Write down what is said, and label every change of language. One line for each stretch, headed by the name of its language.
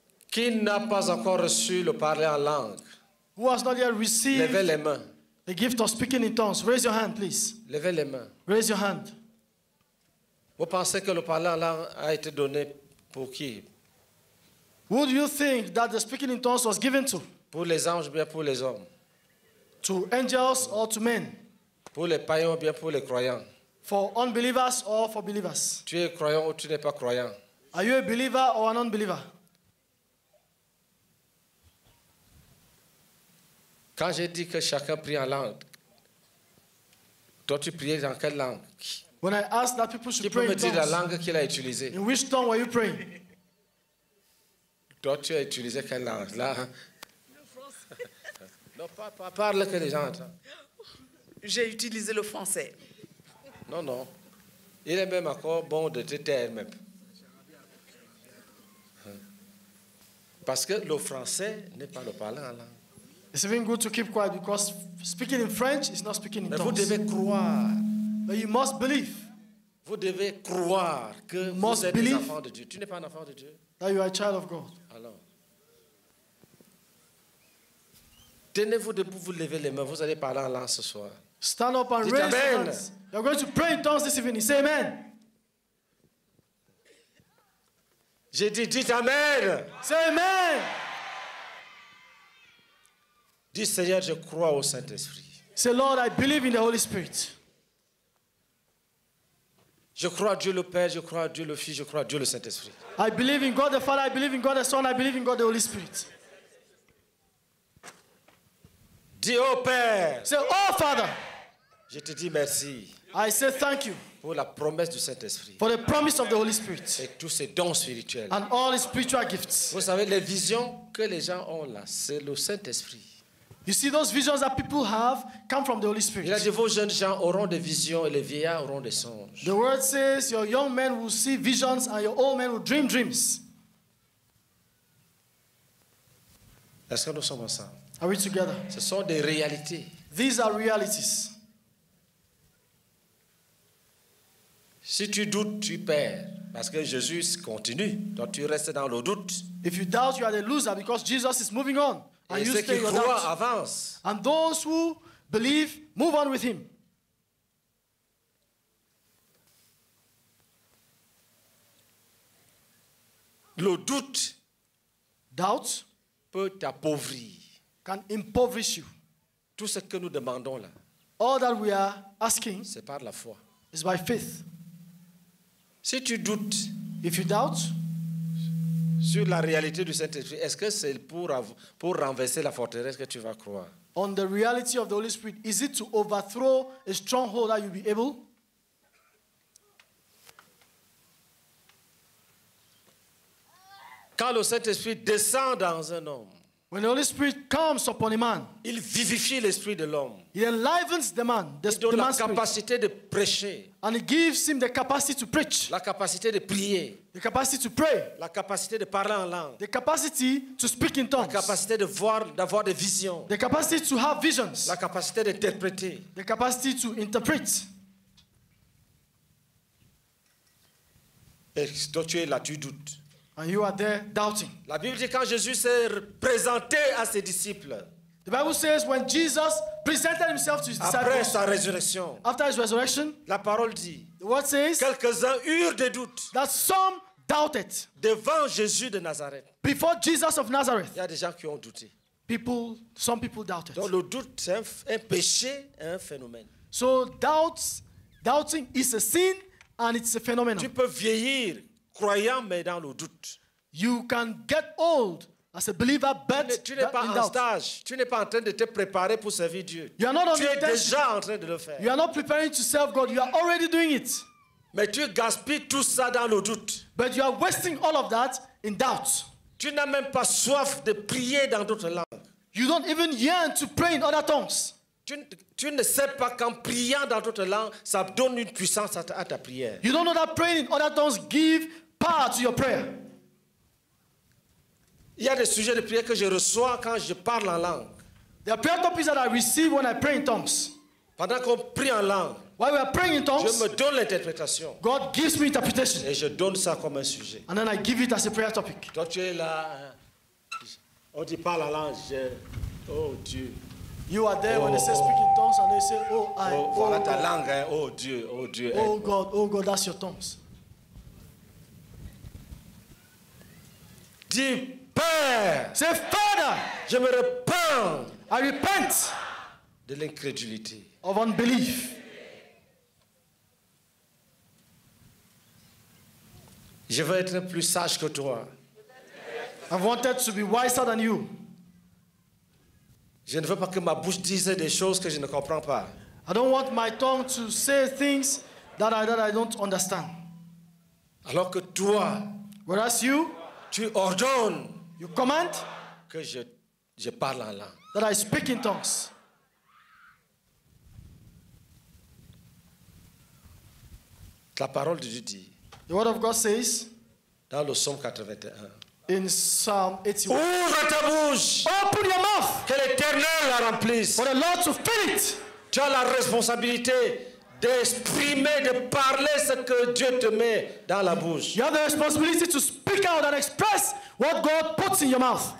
French: Qui n'a pas encore reçu le parler en langue?
English: Who has not yet received?
French: Levez les mains.
English: The gift of speaking in tongues. Raise your hand, please.
French: Levez les mains.
English: Raise your hand.
French: Vous pensez que le parler en langue a été donné pour qui?
English: Who do you think that the speaking in tongues was given to?
French: Pour les anges ou bien pour les hommes?
English: To angels or to men?
French: Pour les païens ou bien pour les croyants?
English: For unbelievers or for believers?
French: Tu es croyant ou tu n'es pas croyant?
English: Are you a believer or an unbeliever?
French: Quand j'ai dit que chacun prie en langue, toi tu priais dans quelle langue?
English: When I asked that people should
French: qui
English: pray
French: peut me
English: in tongues,
French: dire la langue qu'il a utilisée?
English: In which tongue were you praying?
French: Toi tu as utilisé quelle langue? Là, hein? Le français. Non, pas parle que les gens entendent. J'ai utilisé le français. Non, non. Il est même encore bon de te taire même. Parce que le français n'est pas le parler en langue.
English: It's even good to keep quiet because speaking in French is not speaking in
French: Mais
English: tongues.
French: Vous devez croire.
English: But you must believe.
French: Vous devez croire que
English: you
French: vous
English: must
French: êtes un enfant de Dieu. Tu n'es pas un enfant de Dieu.
English: That you are a child of God.
French: Alors, tenez-vous debout, vous levez les mains, vous allez parler en langue ce soir.
English: Stand up and raise your hands. You're going to pray in tongues this evening. Say amen.
French: J'ai dit, dites amen.
English: Say amen.
French: Dis Seigneur, je crois au Saint-Esprit.
English: Say Lord, I believe in the Holy Spirit.
French: Je crois à Dieu le Père, je crois à Dieu le Fils, je crois à Dieu le Saint-Esprit.
English: I believe in God the Father, I believe in God the Son, I believe in God the Holy Spirit.
French: Dis au Père.
English: Say, oh Father.
French: Je te dis merci.
English: I say thank you.
French: Pour la promesse du Saint-Esprit.
English: For the promise of the Holy Spirit.
French: Et tous ces dons spirituels.
English: And all his spiritual gifts.
French: Vous savez, les visions que les gens ont là, c'est le Saint-Esprit.
English: You see, those visions that people have come from the Holy Spirit.
French: Il a dit, vos jeunes gens auront des visions et les vieillards auront des songes.
English: The word says, your young men will see visions and your old men will dream dreams.
French: Est-ce que nous sommes ensemble?
English: Are we together?
French: Ce sont des réalités.
English: These are realities.
French: Si tu doutes, tu perds. Parce que Jésus continue. Donc tu restes dans le doute.
English: If you doubt, you are a loser because Jesus is moving on.
French: Et ceux qui croient avancent.
English: And those who believe move on with him.
French: Le doute,
English: doubt,
French: peut t'appauvrir.
English: Can impoverish you.
French: Tout ce que nous demandons là,
English: all that we are asking,
French: c'est par la foi.
English: Is by faith.
French: Si tu doutes,
English: if you doubt.
French: Sur la réalité du Saint-Esprit, est-ce que c'est pour renverser la forteresse que tu vas croire?
English: On the reality of the Holy Spirit, is it to overthrow a stronghold that you'll be able?
French: Quand le Saint-Esprit descend dans un homme,
English: when the Holy Spirit comes upon a man,
French: il vivifie l'esprit de l'homme.
English: He enlivens the man, the
French: il donne
English: the man's
French: la capacité
English: spirit,
French: de prêcher.
English: And he gives him the capacity to preach.
French: La capacité de prier.
English: The capacity to pray.
French: La capacité de parler en langue.
English: The capacity to speak in tongues.
French: La capacité de voir, d'avoir des visions.
English: The capacity to have visions.
French: La capacité d'interpréter.
English: The capacity to interpret.
French: Et toi tu es là, tu doutes.
English: And you are there doubting.
French: La Bible dit quand Jésus s'est présenté à ses disciples.
English: The Bible says when Jesus presented himself to his disciples.
French: Après sa résurrection.
English: After his resurrection.
French: La parole dit.
English: The word says.
French: Quelques-uns eurent des doutes.
English: That some doubted.
French: Devant Jésus de Nazareth.
English: Before Jesus of Nazareth.
French: Il y a des gens qui ont douté.
English: People, some people doubted.
French: Donc le doute est un péché, un phénomène.
English: So doubting is a sin and it's a phenomenon.
French: Tu peux vieillir. Croyant mais dans le doute.
English: You can get old as a believer, but
French: tu n'es pas en stage. Tu n'es pas en train de te préparer pour servir Dieu.
English: You are not
French: tu es déjà en train de le faire.
English: You are not preparing to serve God. You are already doing it.
French: Mais tu gaspilles tout ça dans le doute.
English: But you are wasting all of that in doubt.
French: Tu n'as même pas soif de prier dans d'autres langues.
English: You don't even yearn to pray in other tongues.
French: Tu ne sais pas qu'en priant dans d'autres langues, ça donne une puissance à ta prière.
English: You don't know that praying in other tongues gives power to your prayer.
French: Il y a des sujets de prière que je reçois quand je parle en langue.
English: There are prayer topics that I receive when I pray in tongues.
French: Pendant qu'on prie en langue,
English: while we are praying in tongues,
French: je me donne l'interprétation.
English: God gives me interpretation.
French: Et je donne ça comme un sujet.
English: And then I give it as a prayer topic.
French: Toi tu es là, on dit parle en langue, je... oh Dieu.
English: You are there when they say speak in tongues and they say, oh, I,
French: oh, voilà ta langue, hein? Oh Dieu, oh Dieu.
English: Oh God, oh God, that's your tongues.
French: Dis Père,
English: say Father,
French: je me repens,
English: I repent,
French: de l'incrédulité,
English: of unbelief.
French: Je veux être plus sage que toi.
English: I wanted to be wiser than you.
French: Je ne veux pas que ma bouche dise des choses que je ne comprends pas.
English: I don't want my tongue to say things that I don't understand.
French: Alors que toi,
English: whereas you,
French: tu ordonnes,
English: you command,
French: que je parle en langue,
English: that I speak in tongues.
French: La parole de Dieu dit,
English: the word of God says,
French: dans le psaume 81.
English: In Psalm 81.
French: Ouvre ta bouche.
English: Open your mouth.
French: Que l'Éternel la remplisse.
English: For the Lord to fill it.
French: Tu as la responsabilité d'exprimer, de parler ce que Dieu te met dans la bouche.
English: You have the responsibility to speak out and express what God puts in your mouth.